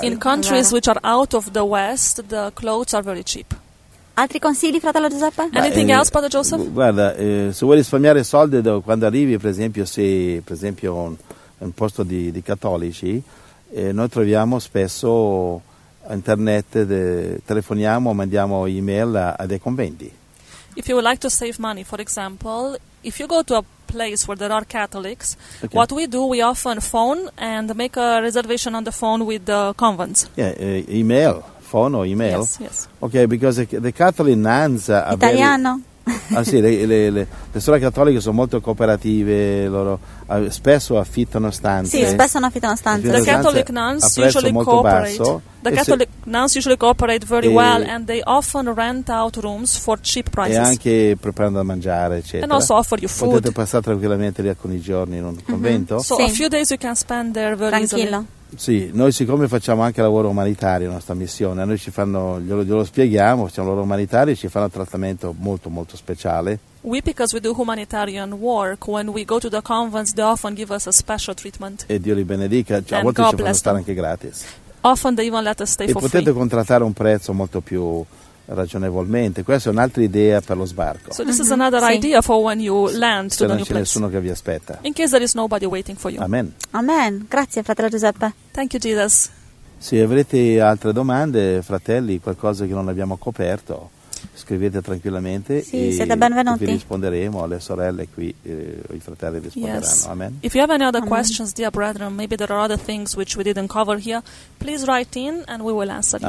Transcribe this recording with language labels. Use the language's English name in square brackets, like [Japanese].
[English] In countries which are out of the West, the clothes are very cheap. [Italian] Altri consigli, fratello Giuseppe? [English] Anything else, brother Joseph? [Italian] Guarda, se vuoi risparmiare soldi quando arrivi, per esempio un posto di cattolici. E noi troviamo spesso internet, telefoniamo, mandiamo email a dei conventi. [English] If you would like to save money, for example, if you go to a place where there are Catholics, okay, what we do, we often phone and make a reservation on the phone with the convents. Yeah, email, phone or email. Yes, yes. Okay, because the Catholic nuns are [Italian] Italiano. [English] Very... [Italian] Ah sì, le suore cattoliche sono molto cooperative, loro spesso affittano stanze. Sì, spesso affittano stanze. [English] The Catholic nuns usually cooperate. The Catholic nuns usually cooperate very well and they often rent out rooms for cheap prices. [Italian] E anche preparando da mangiare, eccetera. [English] And also offer you food. [Italian] Potete passare tranquillamente lì alcuni giorni in un convento. [English] So sì. A few days you can spend there very [Italian] tranquillo. [English] Easily. [Italian] Sì, noi siccome facciamo anche lavoro umanitario, nostra missione, noi ci fanno, glielo spieghiamo, siamo lavoro umanitario, ci fanno un trattamento molto molto speciale. [English] We, because we do humanitarian work, when we go to the convents, they often give us a special treatment. [Italian] E Dio li benedica, cioè, a volte [English] God [Italian] ci fanno stare anche gratis. [English] Often they even let us stay [Italian] e [English] for [Italian] potete [English] free. [Italian] Contrattare un prezzo molto più ragionevolmente. Questa è un'altra idea per lo sbarco. [English] So this is another idea for when you land to the new place. [Italian] Se non c'è nessuno che vi aspetta. [English] In case there is nobody waiting for you. Amen. Amen. [Italian] Grazie, fratello Giuseppe. [English] Thank you, Jesus. [Italian] Se avrete altre domande, fratelli, qualcosa che non abbiamo coperto, scrivete tranquillamente. Sì, e siete benvenuti. Vi risponderemo, le sorelle qui, i fratelli risponderanno. [English] Yes. Amen. If you have any other questions, dear brethren, maybe there are other things which we didn't cover here, please write in and we will answer you.